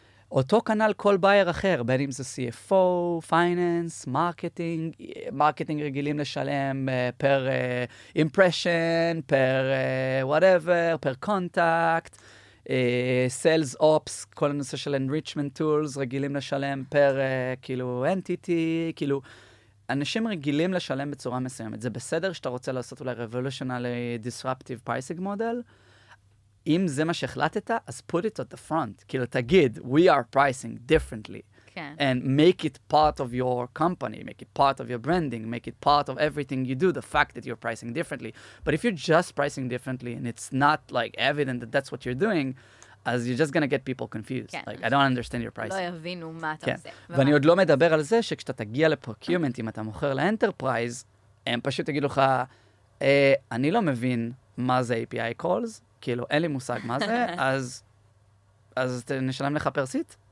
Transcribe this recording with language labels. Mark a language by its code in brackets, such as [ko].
[he] אותו כנל כל בייר אחר, בין אם זה CFO, finance, marketing, marketing רגילים לשלם per impression, per whatever, per contact, sales ops, כל הנושא של enrichment tools רגילים לשלם per כאילו entity, כאילו... אנשים רגילים לשלם בצורה מסוימת. זה בסדר שאתה רוצה לעשות אולי [en] revolutionary disruptive pricing model? [he] אם זה מה שהחלטת, אז [en] put it at the front. [he] כאילו, תגיד, [en] we are pricing differently. [he] כן. [en] And make it part of your company, make it part of your branding, make it part of everything you do, the fact that you're pricing differently. But if you're just pricing differently and it's not like evident that that's what you're doing, אז you're just gonna get people confused. [he] כן. [en] Like, I don't understand your pricing. [he] לא יבינו מה אתה כן. עושה. ואני עוד לא מדבר על זה שכשאתה תגיע לפרוקיומנט, אם אתה מוכר לאנטרפרייז, הם פשוט יגידו לך, אני לא מבין מה זה API calls, כאילו, אין לי מושג מה זה, אז נשלם לך פרסית?